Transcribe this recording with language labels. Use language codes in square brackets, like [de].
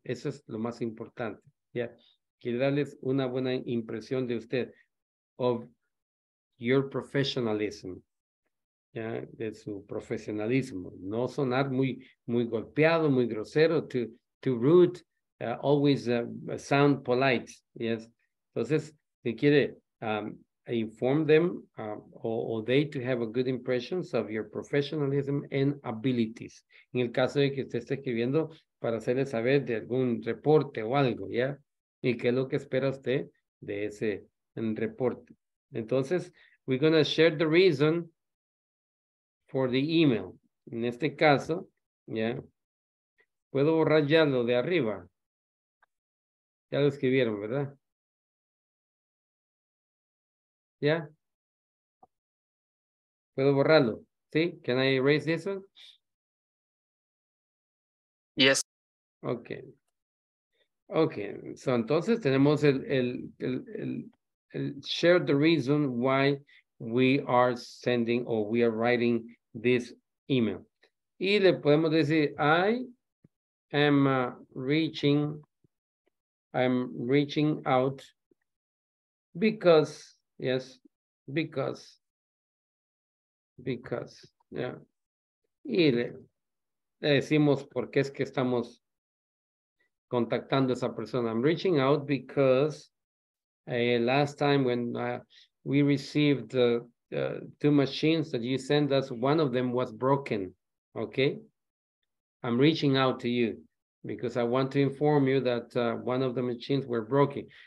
[es] Eso es lo más importante. Yeah. Quiero darles una buena impresión de usted, [en] of your professionalism. [es] Yeah. De su profesionalismo. No sonar muy, muy golpeado, muy grosero, [en] too rude, always sound polite. Yes. [es] Entonces, si quiere, [en] inform them or they to have a good impressions of your professionalism and abilities. [es] En el caso de que usted esté escribiendo para hacerle saber de algún reporte o algo, ¿ya? ¿Y qué es lo que espera usted de ese reporte? [en] Entonces, we're going to share the reason for the email. [es] En este caso, ¿ya? ¿Puedo borrar ya lo de arriba? Ya lo escribieron, ¿verdad? ¿Ya? ¿Puedo borrarlo? ¿Sí? [en] ¿Can I erase this one? Yes. Ok. Ok. So, [es] entonces tenemos el [en] share the reason why we are sending or we are writing this email. [es] Y le podemos decir, [en] I'm reaching out because, yes, because, yeah. [es] Y le decimos por qué es que estamos contactando a esa persona. [en] I'm reaching out because last time when we received two machines that you sent us, one of them was broken, okay? I'm reaching out to you because I want to inform you that one of the machines were broken.